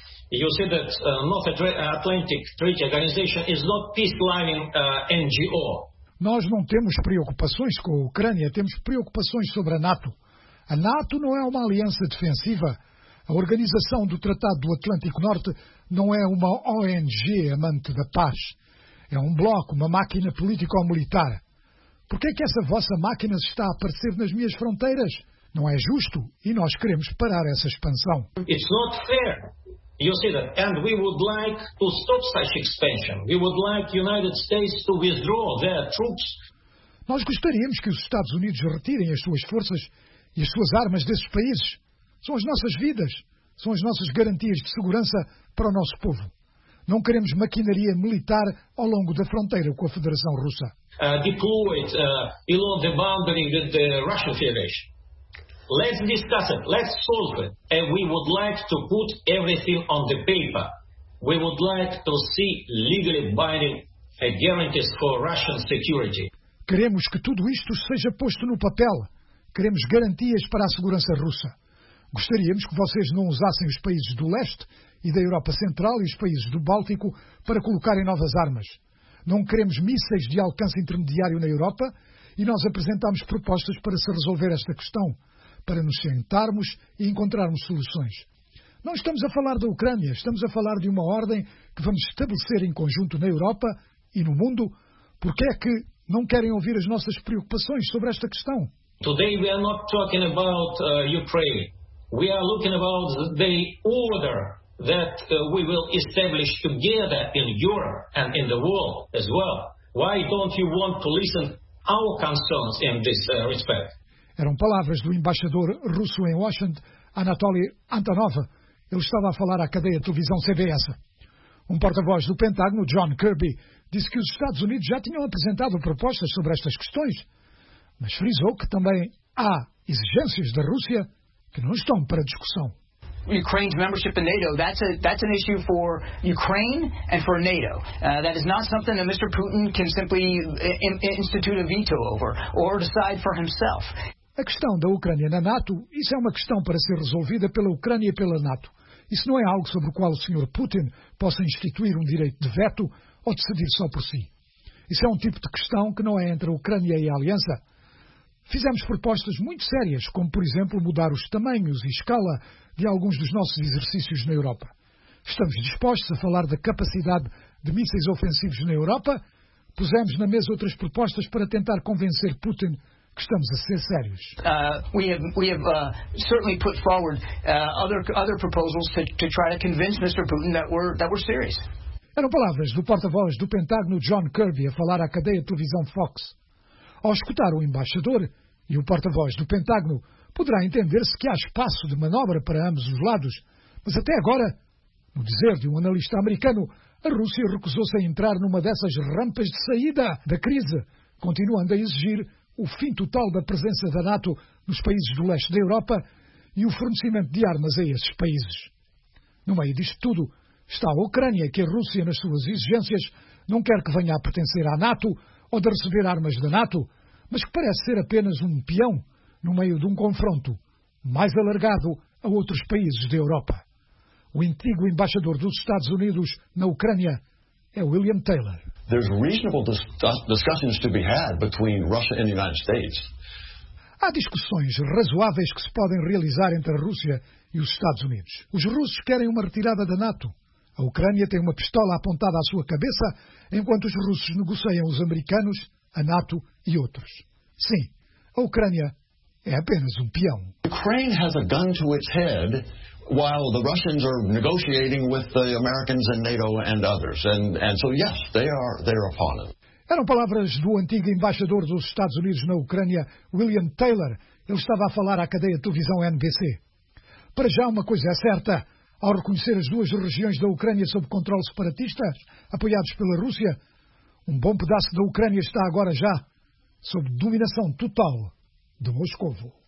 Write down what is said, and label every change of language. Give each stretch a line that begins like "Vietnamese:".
English: You see that North Atlantic Treaty Organization is not peace-loving NGO.
Portuguese: Nós não temos preocupações com a Ucrânia, temos preocupações sobre a NATO. A NATO não é uma aliança defensiva. A Organização do Tratado do Atlântico Norte não é uma ONG amante da paz. É um bloco, uma máquina político-militar. Por que é que essa vossa máquina está a aparecer nas minhas fronteiras? Não é justo e nós queremos parar essa expansão.
English: It's not fair. You see that, and we would like to stop such expansion. We would like United States to withdraw their troops.
Portuguese: Nós gostaríamos que os Estados Unidos retirem as suas forças e as suas armas desses países. São as nossas vidas, são as nossas garantias de segurança para o nosso povo. Não queremos maquinaria militar ao longo da fronteira com a Federação Russa.
English: Deployed along the boundary with the Russian Federation. Let's discuss it. Let's solve it. And we would like to put everything on the paper. We would like to see legally binding guarantees for Russian security.
Portuguese: Queremos que tudo isto seja posto no papel. Queremos garantias para a segurança russa. Gostaríamos que vocês não usassem os países do leste e da Europa Central e os países do Báltico para colocarem novas armas. Não queremos mísseis de alcance intermediário na Europa e nós apresentámos propostas para se resolver esta questão. Para nos sentarmos e encontrarmos soluções. Não estamos a falar da Ucrânia, estamos a falar de uma ordem que vamos estabelecer em conjunto na Europa e no mundo. Porque é que não querem ouvir as nossas preocupações sobre esta questão?
English: Today we are not talking about Ukraine. We are looking about the order that we will establish together in Europe and in the world as well. Why don't you want to listen to our concerns in this respect?
Portuguese: Eram palavras do embaixador russo em Washington, Anatoly Antonov. Ele estava a falar à cadeia de televisão CBS. Um porta-voz do Pentágono, John Kirby, disse que os Estados Unidos já tinham apresentado propostas sobre estas questões, mas frisou que também há exigências da Rússia que não estão para discussão.
English: Ukraine's membership in NATO, that's an issue for Ukraine and for NATO. That is not something that Mr. Putin can simply institute a veto over or decide for himself.
Portuguese: A questão da Ucrânia na NATO, isso é uma questão para ser resolvida pela Ucrânia e pela NATO. Isso não é algo sobre o qual o Sr. Putin possa instituir um direito de veto ou decidir só por si. Isso é um tipo de questão que não é entre a Ucrânia e a Aliança. Fizemos propostas muito sérias, como, por exemplo, mudar os tamanhos e escala de alguns dos nossos exercícios na Europa. Estamos dispostos a falar da capacidade de mísseis ofensivos na Europa. Pusemos na mesa outras propostas para tentar convencer Putin que estamos a ser sérios.
English: We have certainly put forward other proposals to try to convince Mr. Putin that we're serious.
Portuguese: Eram palavras do porta-voz do Pentágono, John Kirby, a falar à cadeia de televisão Fox. Ao escutar o embaixador e o porta-voz do Pentágono, poderá entender-se que há espaço de manobra para ambos os lados. Mas até agora, no dizer de um analista americano, a Rússia recusou-se a entrar numa dessas rampas de saída da crise, continuando a exigir o fim total da presença da NATO nos países do leste da Europa e o fornecimento de armas a esses países. No meio disto tudo, está a Ucrânia, que a Rússia, nas suas exigências, não quer que venha a pertencer à NATO ou de receber armas da NATO, mas que parece ser apenas um peão no meio de um confronto mais alargado a outros países da Europa. O antigo embaixador dos Estados Unidos na Ucrânia é William Taylor.
English: There's reasonable discussions to be had between Russia and the United States.
Portuguese: Há discussões razoáveis que se podem realizar entre a Rússia e os Estados Unidos. Os russos querem uma retirada da NATO. A Ucrânia tem uma pistola apontada à sua cabeça, enquanto os russos negociam os americanos, a NATO e outros. Sim, a Ucrânia é apenas um peão.
English: Ukraine has a gun to its head while the Russians are negotiating with the Americans and NATO and others. And so yes, they're upon it.
Portuguese: Eram palavras do antigo embaixador dos Estados Unidos na Ucrânia, William Taylor. Ele estava a falar à cadeia de televisão NBC. Para já, uma coisa é certa. Ao reconhecer as duas regiões da Ucrânia sob controle separatista, apoiados pela Rússia, um bom pedaço da Ucrânia está agora já sob dominação total de Moscovo.